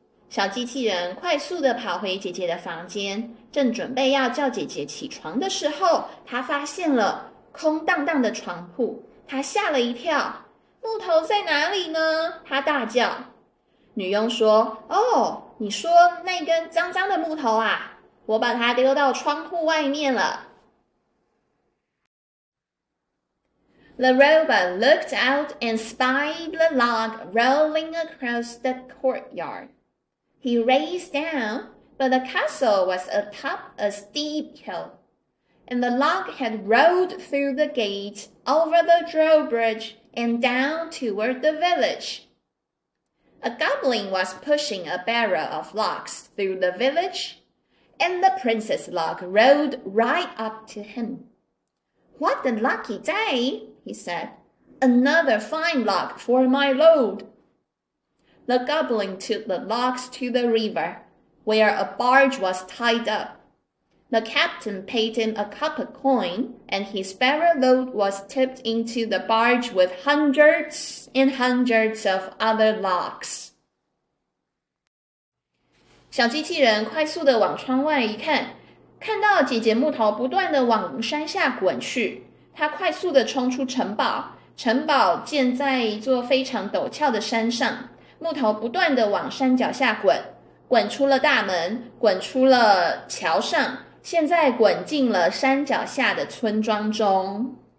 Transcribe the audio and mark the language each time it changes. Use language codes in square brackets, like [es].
[zh] 小机器人快速地跑回姐姐的房间，正准备要叫姐姐起床的时候，他发现了空荡荡的床铺，他吓了一跳，木头在哪里呢？他大叫。女佣说，哦，你说那根脏脏的木头啊，我把它丢到窗户外面了。 [en] The robot looked out and spied the log rolling across the courtyard. He raced down, but the castle was atop a steep hill, and the log had rolled through the gate, over the drawbridge, and down toward the village. A goblin was pushing a barrel of logs through the village, and the princess log rolled right up to him. What a lucky day, he said. Another fine log for my load. The goblin took the logs to the river, where a barge was tied up. The captain paid him a copper coin, and his barrel load was tipped into the barge with hundreds and hundreds of other logs. [zh] 小机器人快速地往窗外一看，看到姐姐木头不断地往山下滚去，它快速地冲出城堡，城堡建在一座非常陡峭的山上，木头不断地往山脚下滚，滚出了大门，滚出了桥上，现在滚进了山脚下的村庄中。